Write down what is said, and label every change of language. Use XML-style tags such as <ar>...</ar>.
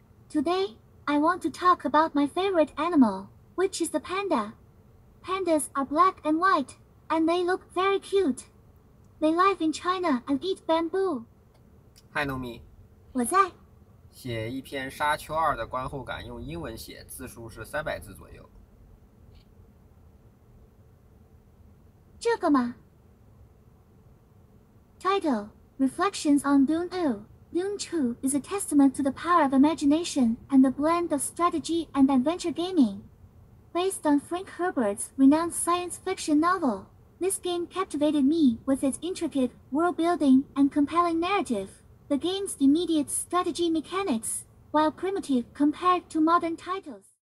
<en>Today, I want to talk about my favorite animal, which is the panda. Pandas are black and white, and they look very cute. They live in China and eat bamboo. Hi, Nomi.</en> <zh>我在。写一篇《沙丘二》的观后感，用英文写，字数是300字左右。这个吗</zh> <en>？Title: Reflections on Dune 2. Dune 2 is a testament to the power of imagination and the blend of strategy and adventure gaming. Based on Frank Herbert's renowned science fiction novel, this game captivated me with its intricate world-building and compelling narrative, the game's immediate strategy mechanics, while primitive compared to modern titles.</en>